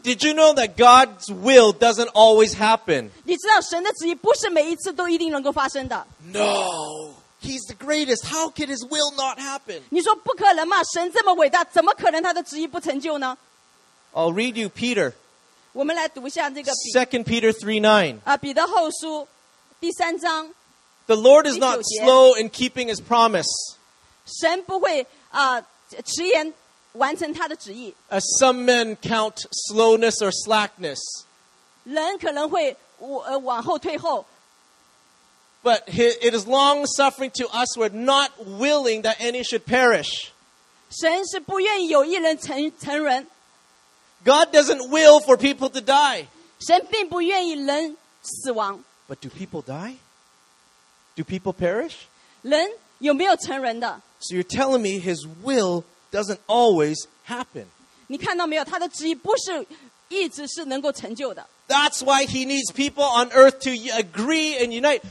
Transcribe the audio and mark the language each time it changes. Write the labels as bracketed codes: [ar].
[en] Did you know that God's will doesn't always happen? [zh] 你知道神的旨意不是每一次都一定能够发生的。 [en] No, He's the greatest. How could His will not happen? [zh] 你说不可能吗？神这么伟大，怎么可能他的旨意不成就呢 [en] ？I'll read you Peter. [zh] 我们来读一下这个 [en] 2 Peter 3:9. [zh] 彼得后书第三章。 [en] The Lord is not slow in keeping His promise. [zh] 神不会迟延完成他的旨意。 [en] As some men count slowness or slackness. [zh] 人可能会往后退后。 [en] But it is long suffering to us, we're not willing that any should perish. [zh] 神是不愿意有一人成人。 [en] God doesn't will for people to die. [zh] 神并不愿意人死亡。 [en] But do people die? Do people perish? [zh] 人有没有成人的? [en] So you're telling me his will doesn't always happen. [zh] 你看到没有? 他的旨意不是一直是能够成就的。 [en] That's why he needs people on earth to agree and unite.